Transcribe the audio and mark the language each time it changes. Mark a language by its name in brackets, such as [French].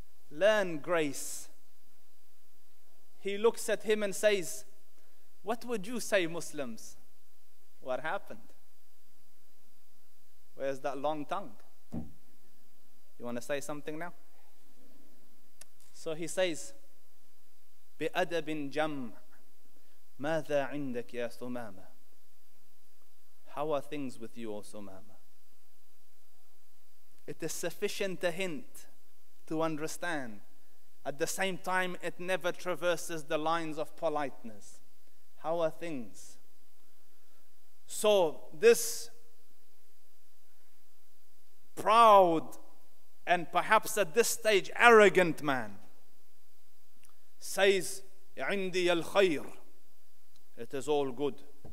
[English] Learn grace. He looks at him and says, what would you say, Muslims? What happened? Where's that long tongue? You want to say something now? So he says, [Arabic] بِأَدَبٍ جَمْعٍ مَاذَا عِنْدَكِ يَا ثُمَامَ. [English] How are things with you, O Thumama? It is sufficient a hint to understand. At the same time, it never traverses the lines of politeness. How are things? So this proud and perhaps at this stage arrogant man says, [Arabic] عندي الخير. [English] It is all good.